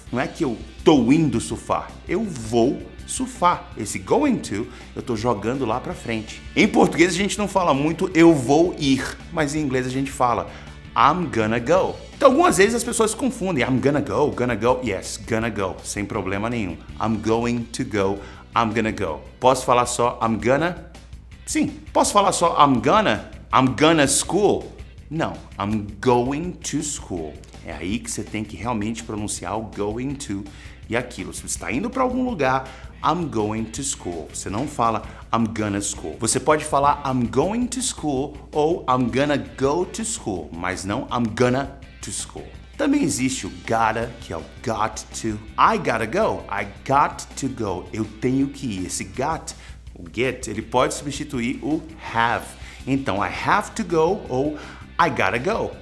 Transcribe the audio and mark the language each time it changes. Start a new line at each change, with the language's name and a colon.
Portuguese: Não é que eu tô indo surfar, eu vou surfar. Esse going to, eu tô jogando lá pra frente. Em português a gente não fala muito eu vou ir, mas em inglês a gente fala
English: I'm gonna go.
Portuguese: Então algumas vezes as pessoas confundem,
English: I'm gonna go, yes, gonna go,
Portuguese: sem problema nenhum.
English: I'm going to go, I'm gonna go.
Portuguese: Posso falar só
English: I'm gonna?
Portuguese: Sim. Posso falar só
English: I'm gonna school?
Portuguese: Não,
English: I'm going to school.
Portuguese: É aí que você tem que realmente pronunciar o going to e aquilo. Se você está indo para algum lugar,
English: I'm going to school.
Portuguese: Você não fala
English: I'm gonna school.
Portuguese: Você pode falar
English: I'm going to school
Portuguese: ou
English: I'm gonna go to school,
Portuguese: mas não
English: I'm gonna to school.
Portuguese: Também existe o gotta, que é o got to.
English: I gotta go. I got to go.
Portuguese: Eu tenho que ir. Esse got, o get, ele pode substituir o have.
English: Então, I have to go ou I gotta go.